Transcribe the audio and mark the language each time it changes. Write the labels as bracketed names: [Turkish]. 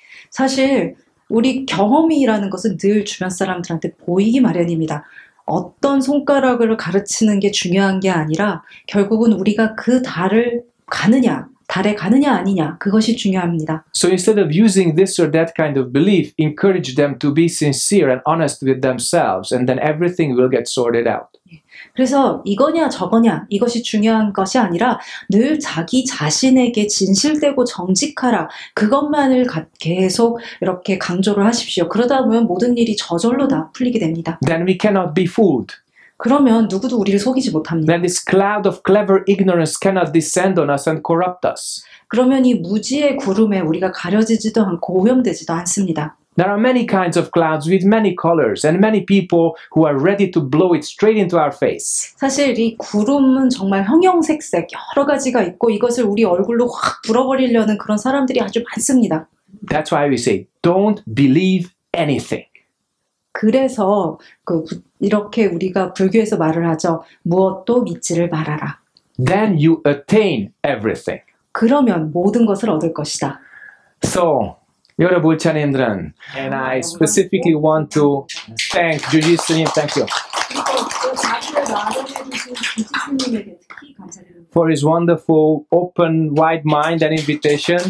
[Korean] 사실 우리 경험이라는 것은 늘 주변 사람들한테 보이기 마련입니다. 어떤 손가락을 가르치는 게 중요한 게 아니라 결국은 우리가 그 달을 가느냐, 달에 가느냐 아니냐 그것이 중요합니다. [English] So instead of using this or that kind of belief, encourage them to be sincere and honest with themselves, and then everything will get sorted out. [Korean] 그래서 이거냐 저거냐 이것이 중요한 것이 아니라 늘 자기 자신에게 진실되고 정직하라. 그것만을 계속 이렇게 강조를 하십시오. 그러다 보면 모든 일이 저절로 다 풀리게 됩니다. [English] Then we cannot be fooled. [Korean] 그러면 누구도 우리를 속이지 못합니다. [English] Then this cloud of clever ignorance cannot descend on us and corrupt us. [Korean] 그러면 이 무지의 구름에 우리가 가려지지도 않고 오염되지도 않습니다. [English] There are many kinds of clouds with many colors and many people who are ready to blow it straight into our face. [Korean] 사실 이 구름은 정말 형형색색 여러 가지가 있고 이것을 우리 얼굴로 확 불어버리려는 그런 사람들이 아주 많습니다. [English] That's why we say don't believe anything. [Korean] 그래서 그 이렇게 우리가 불교에서 말을 하죠. 무엇도 믿지를 말아라. [English] Then you attain everything. [Korean] 그러면 모든 것을 얻을 것이다. [English] So [Korean] 여러분 부처님들은 [English] and I specifically want to thank 주지스님 thank you. For his wonderful open wide mind and invitation.